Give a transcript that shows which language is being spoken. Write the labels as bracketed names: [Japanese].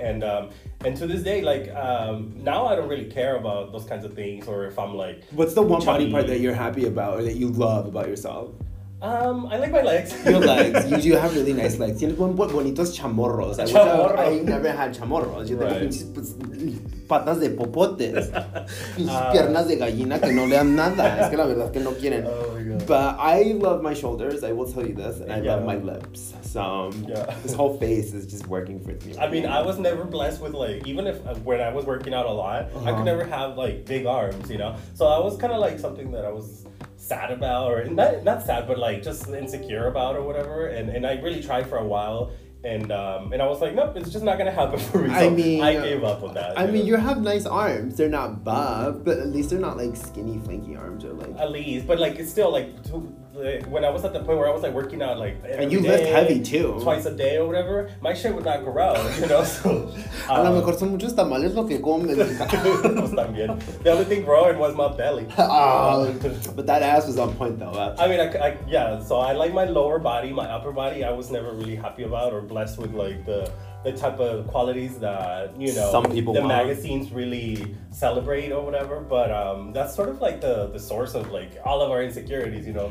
[English] And to this day, like, now I don't really care about those kinds of things, or if I'm like, what's the one body part that you're happy about, or that you love about yourself? I like my legs. Your legs. You do have really nice legs. [Spanish] Tienes bonitos chamorros. [English] I never had chamorros. You think it's [Spanish] patas de popotes. Piernas de gallina que no le dan nada. Es que la verdad es que no quieren. [English] Oh my God. But I love my shoulders. I will tell you this. And I love my lips. So this whole face is just working for me. I mean, I was never blessed with like, even if when I was working out a lot, I could never have like big arms, you know? So I was kind of like something that I was sad about, or not sad, but like just insecure about or whatever. And I really tried for a while. And I was like, nope, it's just not gonna happen for me. So I mean, I gave up on that. I mean, you have nice arms. They're not buff, but at least they're not like skinny, flanky arms, or like. At least, but like, it's still like, when I was at the point where I was like working out like every and you day, lift heavy too, twice a day or whatever, my shit would not grow, you know. So [Spanish] a lo mejor son muchos tamales lo que comen. [English] The only thing growing was my belly. But that ass was on point though. I mean, so I like my lower body. My upper body I was never really happy about or blessed with like the type of qualities that, you know, some people the want. Magazines really celebrate or whatever, but that's sort of like the source of like all of our insecurities, you know.